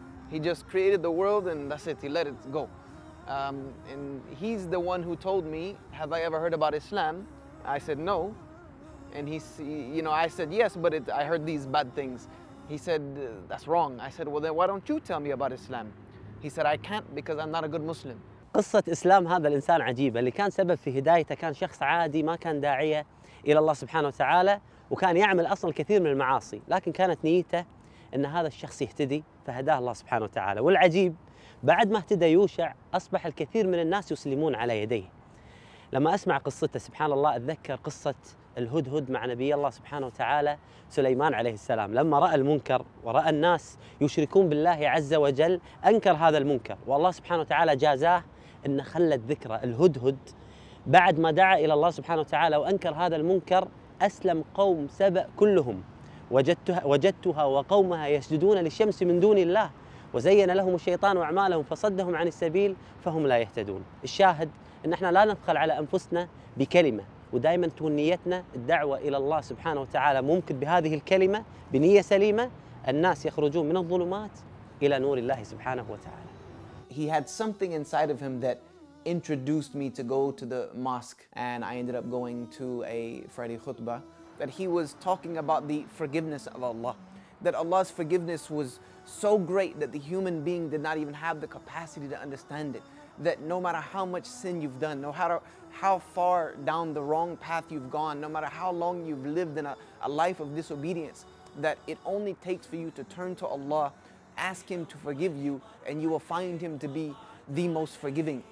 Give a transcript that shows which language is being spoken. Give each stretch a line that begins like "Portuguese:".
English: He just created the world and that's it, he let it go. And he's the one who told me, have I ever heard about Islam? I said, no. And he, you know, I said, yes, but I heard these bad things. He said, that's wrong. I said, well, then why don't you tell me about Islam? He said, I can't because I'm not a good Muslim.
Arabic: قصة إسلام هذا الإنسان عجيبة، اللي كان سبب في هدايته كان شخص عادي ما كان داعية إلى الله سبحانه وتعالى، وكان يعمل أصلاً كثير من المعاصي، لكن كانت نيته أن هذا الشخص يهتدي فهداه الله سبحانه وتعالى. والعجيب بعد ما اهتدى يوشع أصبح الكثير من الناس يسلمون على يديه. لما أسمع قصته سبحان الله أتذكر قصة الهدهد مع نبي الله سبحانه وتعالى سليمان عليه السلام، لما رأى المنكر ورأى الناس يشركون بالله عز وجل أنكر هذا المنكر، والله سبحانه وتعالى جازاه أن خلت ذكرى الهدهد بعد ما دعا إلى الله سبحانه وتعالى وأنكر هذا المنكر أسلم قوم سبأ كلهم، وجدتها وقومها يسجدون للشمس من دون الله وزين لهم الشيطان وأعمالهم فصدهم عن السبيل فهم لا يهتدون. الشاهد أن احنا لا نبخل على أنفسنا بكلمة، ودائما تكون نيتنا الدعوة إلى الله سبحانه وتعالى، ممكن بهذه الكلمة بنية سليمة الناس يخرجون من الظلمات إلى نور الله سبحانه وتعالى.
English: He had something inside of him that introduced me to go to the mosque, and I ended up going to a Friday khutbah that he was talking about the forgiveness of Allah, that Allah's forgiveness was so great that the human being did not even have the capacity to understand it, that no matter how much sin you've done, no matter how far down the wrong path you've gone, no matter how long you've lived in a life of disobedience, that it only takes for you to turn to Allah, ask Him to forgive you, and you will find Him to be the most forgiving.